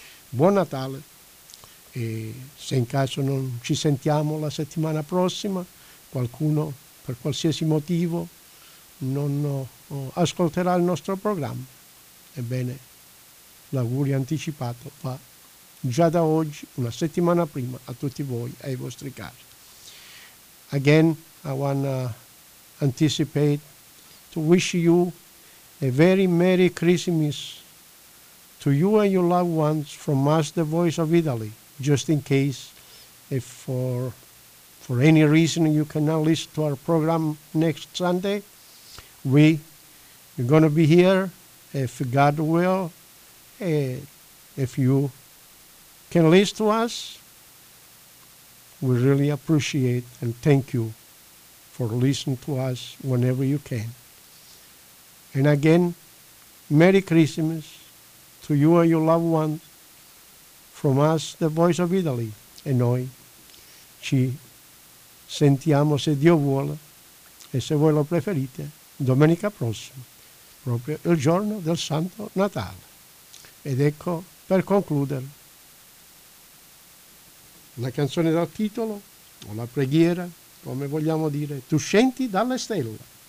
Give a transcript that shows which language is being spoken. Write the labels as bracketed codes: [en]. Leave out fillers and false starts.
[it] Buon Natale, e se in caso non ci sentiamo la settimana prossima, qualcuno per qualsiasi motivo non ascolterà il nostro programma, ebbene l'augurio anticipato va già da oggi, una settimana prima, a tutti voi e ai vostri cari. [en] Again, I wanna anticipate to wish you a very Merry Christmas to you and your loved ones from us, the Voice of Italy, just in case if for any reason you cannot listen to our program next Sunday. We're going to be here, if God will, if you can listen to us. We really appreciate and thank you for listening to us whenever you can. And again, Merry Christmas to you and your loved ones from us, the Voice of Italy. [it] E noi ci sentiamo, se Dio vuole e se voi lo preferite, domenica prossima, proprio il giorno del Santo Natale. Ed ecco, per concludere, la canzone dal titolo, o la preghiera, come vogliamo dire, Tu scendi dalle stelle.